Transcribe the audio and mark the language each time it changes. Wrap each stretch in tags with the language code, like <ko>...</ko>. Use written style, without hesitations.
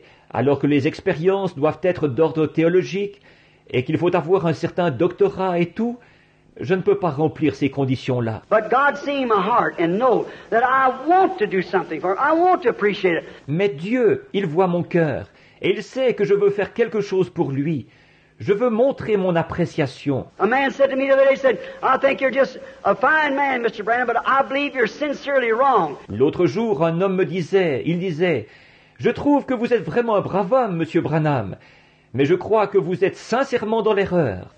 <fr>Alors que les expériences doivent être d'ordre théologique et qu'il faut avoir un certain doctorat et tout, je ne peux pas remplir ces conditions-là.</fr> <en>But God sees my heart and knows that I want to do something for it. I want to appreciate it.</en> <fr>Mais Dieu, il voit mon cœur et il sait que je veux faire quelque chose pour lui. Je veux montrer mon appréciation.</fr> <en>A man said to me the other day, he said, I think you're just a fine man, Mr. Branham, but I believe you're sincerely wrong.</en> <fr>L'autre jour, un homme me disait, il disait, je trouve que vous êtes vraiment un brave homme, Monsieur Branham, mais je crois que vous êtes sincèrement dans l'erreur.</fr>